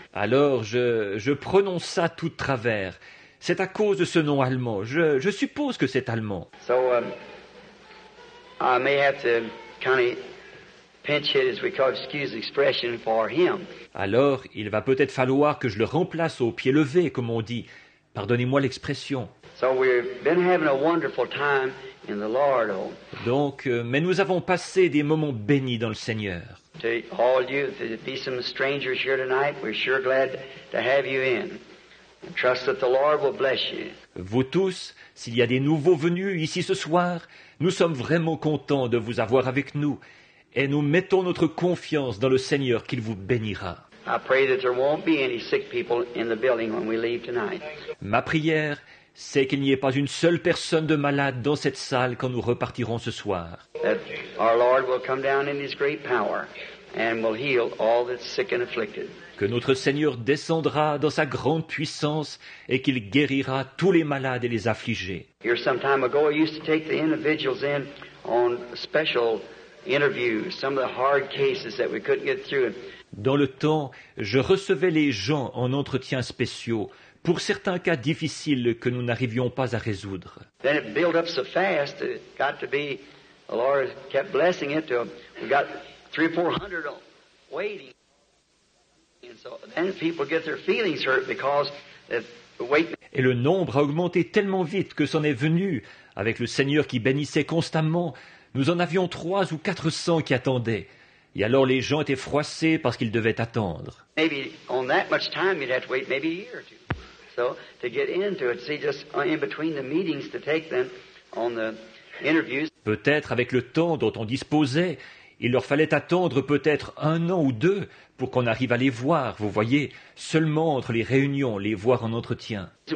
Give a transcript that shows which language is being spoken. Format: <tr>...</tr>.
<fr>Alors, je prononce ça tout de travers. C'est à cause de ce nom allemand. Je suppose que c'est allemand.</fr> <en>So, I may have to kind of pinch hit, as we call it, excuse expression, for him.</en> <fr>Alors, il va peut-être falloir que je le remplace au pied levé, comme on dit. Pardonnez-moi l'expression.</fr> <en>So we've been having a wonderful time in the Lord. Oh.</en> <fr>Donc, mais nous avons passé des moments bénis dans le Seigneur.</fr> <en>To all you, to be some strangers here tonight, we're sure glad to have you in. And trust that the Lord will bless you.</en> <fr>Vous tous, s'il y a des nouveaux venus ici ce soir, nous sommes vraiment contents de vous avoir avec nous, et nous mettons notre confiance dans le Seigneur qu'il vous bénira.</fr> <en>I pray that there won't be any sick people in the building when we leave tonight.</en> <fr>Ma prière, c'est qu'il n'y ait pas une seule personne de malade dans cette salle quand nous repartirons ce soir.</fr> <en>That our Lord will come down in his great power and will heal all that's sick and afflicted.</en> <fr>que notre Seigneur descendra dans sa grande puissance et qu'il guérira tous les malades et les affligés.</fr> <en>Here some time ago, I used to take the individuals in on special interviews, some of the hard cases that we couldn't get through.</en> <fr>Dans le temps, je recevais les gens en entretiens spéciaux pour certains cas difficiles que nous n'arrivions pas à résoudre.</fr> <en>Then it built up so fast, it got to be, the Lord kept blessing it to, we got 300 or 400 waiting. And so then people get their feelings hurt because of the waiting.</en> <fr>Et le nombre a augmenté tellement vite que c'en est venu, avec le Seigneur qui bénissait constamment, nous en avions 300 ou 400 qui attendaient. Et alors les gens étaient froissés parce qu'ils devaient attendre.</fr> <en>Maybe on that much time you'd have to wait maybe a year or two. So to get into it, see, just in between the meetings to take them on the interviews.</en> <fr>Peut-être avec le temps dont on disposait, il leur fallait attendre peut-être 1 an ou 2 pour qu'on arrive à les voir, vous voyez, seulement entre les réunions, les voir en entretien.</fr>